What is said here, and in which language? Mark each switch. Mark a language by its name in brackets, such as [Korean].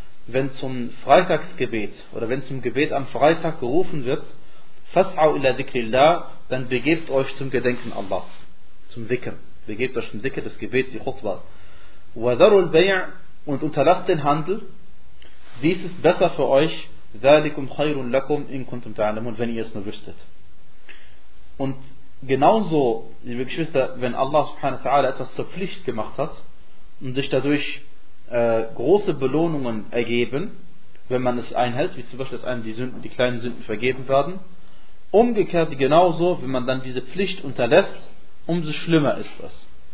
[German] Wenn zum Freitagsgebet oder wenn zum Gebet am Freitag gerufen wird, [Arabic] fas'au ila dhikrillah, [German] dann begebt euch zum Gedenken Allahs. Zum Dicken. Begebt euch zum Dicken, das Gebet, die Khutbah. [Arabic] وَذَرُوا الْبَيْعِ [German] Und unterlasst den Handel. Dies ist besser für euch. [Arabic] ذَلِكُمْ خَيْرٌ لَكُمْ إِن كُنْتُمْ تَعْلَمُونَ [German] Wenn ihr es nur wüsstet. Und genauso, liebe Geschwister, wenn Allah subhanahu wa ta'ala etwas zur Pflicht gemacht hat und sich dadurch große Belohnungen ergeben, wenn man es einhält, wie zum Beispiel, dass einem die kleinen Sünden vergeben werden, umgekehrt genauso, wenn man dann diese Pflicht unterlässt, umso schlimmer ist das.